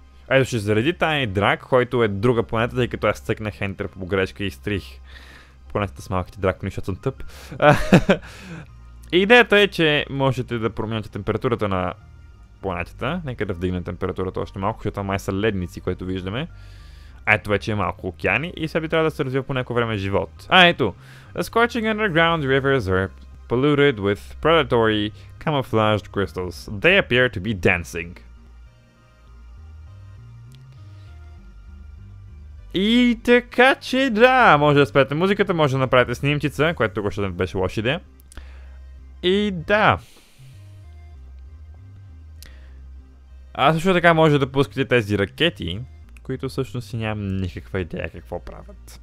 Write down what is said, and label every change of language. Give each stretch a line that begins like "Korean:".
Bulgarian: Ето ще заради Тайни Драк, който е друга планета, тъй като аз цъкнах Enter по грешка и изтрих планетата с малките дракони, защото съм тъп. Идеята е, че можете да променяте температурата на планетата. Нека да вдигнем температурата още малко, защото май са ледници, което виждаме. Ето вече е малко океани и сега би трябва да се развива по някое време живот. А ето!
English: The scorching underground rivers are polluted with predatory camouflaged crystals. They appear to be dancing.
Bulgarian: И така че да, може да спрете музиката, може да направите снимчица, което тук още беше лоша идея. И да. А също така може да пускате тези ракети, които всъщност нямам никаква идея какво правят.